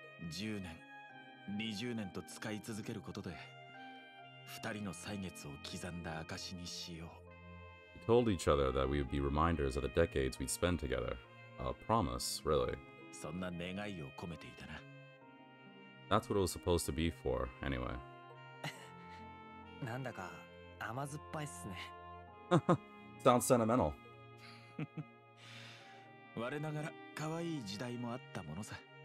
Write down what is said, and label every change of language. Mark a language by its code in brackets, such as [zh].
[ja] 10年, 20年と使い続けることで、二人の歳月を刻んだ証にしよう。 [en] We told each other that we would be reminders of the decades we'd spend together. A promise, really. [ja] そんな願いを込めていたな。 [en] That's what it was supposed to be for, anyway. [ja] なんだか甘酸っぱいっすね。 [en] Sounds sentimental. [ja] 我ながら可愛い時代もあったものさ。